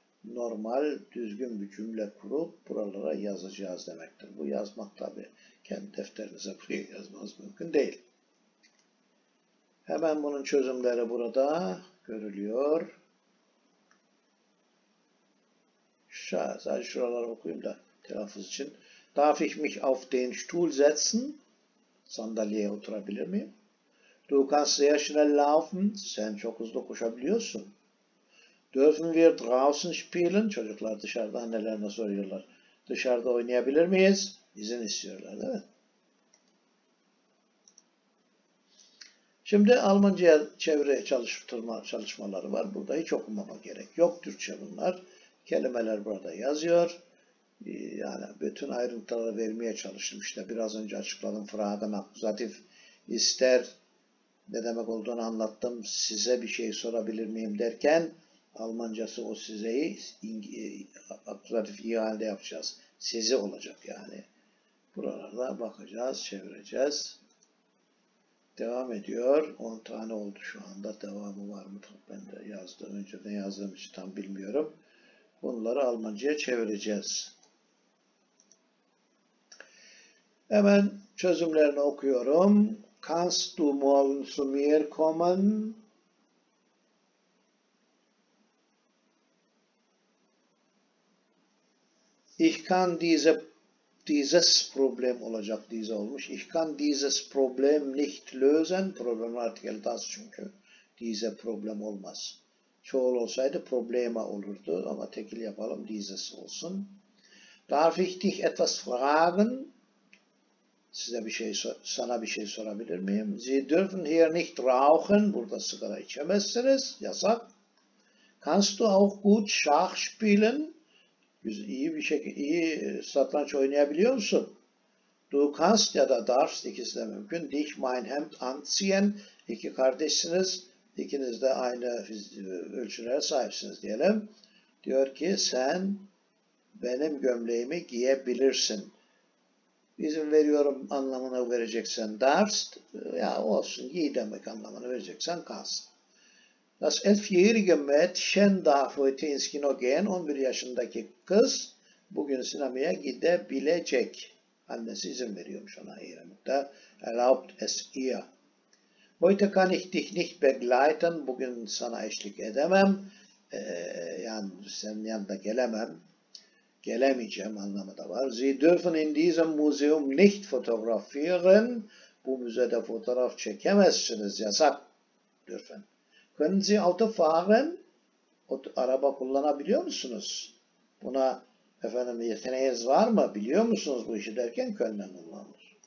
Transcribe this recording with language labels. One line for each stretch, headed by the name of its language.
Turkish: Normal, düzgün bir cümle kurup buralara yazacağız demektir. Bu yazmak tabi kendi defterinize buraya yazmanız mümkün değil. Hemen bunun çözümleri burada görülüyor. Sadece şuraları okuyayım da telaffuz için.
German: Darf ich mich auf den Stuhl setzen?
Turkish: Sandalyeye oturabilir miyim?
German: Du kannst sehr schnell laufen.
Turkish: Sen çok hızlı koşabiliyorsun.
German: Dürfen wir draußen spielen?
Turkish: Çocuklar dışarıda annelerine soruyorlar. Dışarıda oynayabilir miyiz? İzin istiyorlar değil mi? Şimdi Almanca'ya çevre çalışmaları var. Burada hiç okumama gerek yok. Türkçe bunlar. Kelimeler burada yazıyor. Yani bütün ayrıntıları vermeye çalıştım. İşte biraz önce açıkladım. Fragen, akkusatif, ister, ne demek olduğunu anlattım. Size bir şey sorabilir miyim derken Almancası o sizeyi akkusatif iyi halde yapacağız. Sizi olacak yani. Buralarda bakacağız, çevireceğiz. Devam ediyor. 10 tane oldu şu anda. Devamı var mı? Ben de yazdım. Önceden yazdığım için tam bilmiyorum. Bunları Almanca'ya çevireceğiz. Hemen çözümlerini okuyorum.
German: Kannst du morgen zu mir kommen? Ich kann dieses Problem
Turkish: olacak,
German: diese
Turkish: olmuş.
German: Ich kann dieses Problem nicht lösen.
Turkish: Problem artikeli das çünkü.
German: Diese Problem
Turkish: olmaz. Çoğul olsaydı Probleme olurdu ama tekil yapalım.
German: Dieses
Turkish: olsun.
German: Darf ich dich etwas fragen?
Turkish: Size bir şey, sana bir şey sorabilir miyim?
German: Sie dürfen hier nicht rauchen.
Turkish: Burada sigara içemezsiniz. Yasak.
German: Kannst du auch gut Schach spielen?
Turkish: İyi bir şekilde, iyi satranç oynayabiliyor musun?
German: Du kannst
Turkish: ya da darfst, ikisi de mümkün.
German: Dich mein Hemd anziehen,
Turkish: iki kardeşsiniz, ikiniz de aynı ölçülere sahipsiniz diyelim. Diyor ki sen benim gömleğimi giyebilirsin. İzin veriyorum anlamını vereceksen darfst, ya olsun giy demek anlamını vereceksen kannst.
German: Das elfjährige Mädchen darf heute ins Kino gehen.
Turkish: 11 yaşındaki kız bugün sinemaya gidebilecek. Annesi izin veriyormuş ona ihremde.
German: Erlaubt es ihr. Heute kann ich dich nicht begleiten.
Turkish: Bugün sana eşlik edemem. Yani senin yanında gelemem. Gelemeyeceğim anlamı da var.
German: Sie dürfen in diesem Museum nicht fotografieren.
Turkish: Bu müzede fotoğraf çekemezsiniz. Yasak. Dürfen.
German: Können Sie Auto fahren?
Turkish: Araba kullanabiliyor musunuz? Buna efendim yeteneğiniz var mı? Biliyor musunuz bu işi derken können kullanılır.